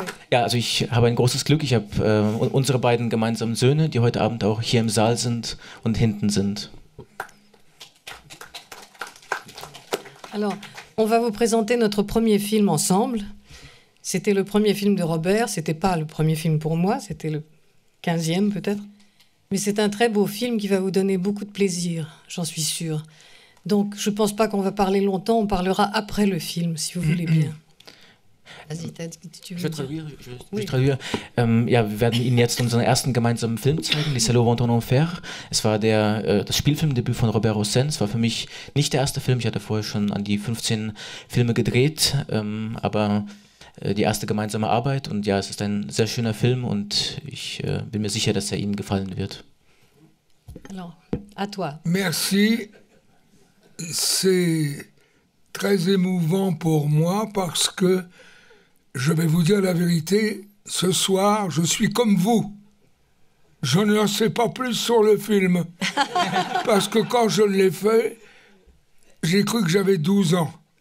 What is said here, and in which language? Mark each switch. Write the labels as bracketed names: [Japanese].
[German] Ja, also ich habe ein großes Glück. Ich habe unsere beiden gemeinsamen Söhne, die heute Abend auch hier im Saal sind und hinten sind. [French] Alors, on va vous présenter notre premier film ensemble. C'était le premier film de Robert. C'était pas le premier film pour moi. C'était le 15e peut-être. Mais c'est un très beau film qui va vous donner beaucoup de plaisir, j'en suis sûre. Donc, je ne pense pas qu'on va parler longtemps, on parlera après le film, si vous voulez bien. Vas-y, Ted, tu veux je traduire. Je traduire. [German] Wir werden Ihnen jetzt unseren ersten gemeinsamen Film zeigen, Les Salauds vont en enfer. Es war das Spielfilmdebüt von Robert Hossein. Es war für mich nicht der erste Film. Ich hatte vorher schon an die 15 Filme gedreht, aber die erste gemeinsame Arbeit, und ja, es ist ein sehr schöner Film und ich bin mir sicher, dass er Ihnen gefallen wird. [French] Alors, à toi. Merci. C'est très émouvant pour moi parce que je vais vous dire la vérité, ce soir, je suis comme vous. Je ne sais pas plus sur le film parce que quand je l'ai fait, j'ai cru que j'avais 12 ans.